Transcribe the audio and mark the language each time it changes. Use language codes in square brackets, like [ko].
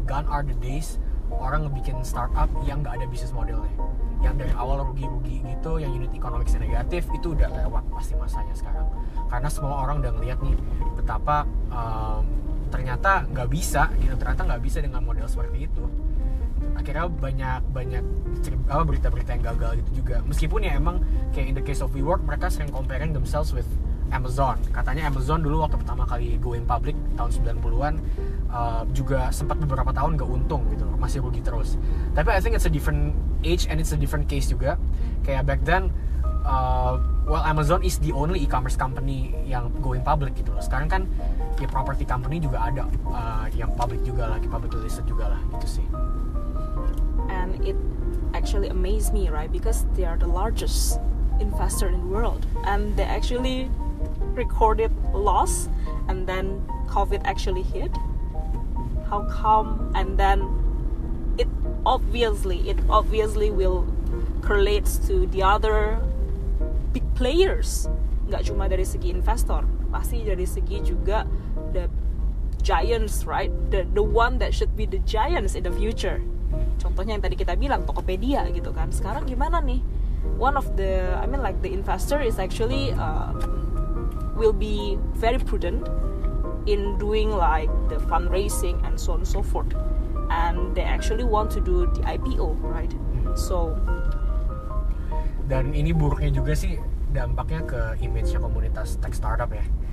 [en] Gone are the days [id] orang bikin startup yang nggak ada business modelnya, yang dari awal rugi-rugi gitu, yang unit economics-nya negatif, itu udah lewat pasti masanya sekarang. Karena semua orang udah ngeliat nih betapa ternyata nggak bisa gitu, ternyata nggak bisa dengan model seperti itu. Akhirnya banyak berita-berita yang gagal gitu juga. Meskipun ya emang kayak [en] in the case of WeWork, [id] mereka sering comparing themselves with Amazon. Katanya Amazon dulu waktu pertama kali going public tahun 90-an juga sempat beberapa tahun gak untung gitu, masih rugi terus. [en] Tapi I think it's a different age and it's a different case juga. Kayak back then, well, Amazon is the only e-commerce company [id] yang going public gitu loh. Sekarang kan ya property company juga ada yang public juga lah, public listed juga lah gitu sih. [en] And it actually amazed me, right? Because they are the largest investor in the world and they actually recorded loss and then COVID actually hit. How come? And then it obviously will correlate to the other big players. [id] Gak cuma dari segi investor, pasti dari segi juga [en] the giants, right? The one that should be the giants in the future. [id] Contohnya yang tadi kita bilang Tokopedia gitu kan. Sekarang gimana nih? [en] One of the, I mean like the investor is actually will be very prudent in doing like the fundraising and so on and so forth, and they actually want to do the IPO, right? So [id] dan ini buruknya juga sih dampaknya ke image-nya komunitas tech startup ya.